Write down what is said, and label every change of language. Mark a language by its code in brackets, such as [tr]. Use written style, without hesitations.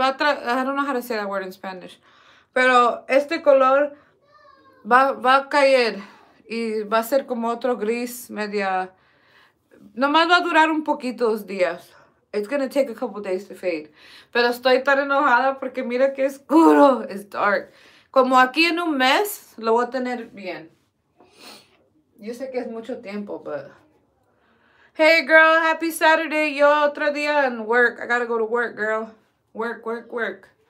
[en] I don't know how to say that word in Spanish. [es] Pero este color. Va a caer y va a ser como otro gris media. Nomás va a durar un poquito los días. [en] It's gonna take a couple days to fade. [es] Pero estoy tan enojada porque mira qué oscuro. [en] It's dark. [es] Como aquí en un mes lo voy a tener bien. Yo sé que es mucho tiempo, pero. [en] Hey, girl, happy Saturday. [es] Yo otro día en [en] work. I gotta go to work, girl. Work, work, work.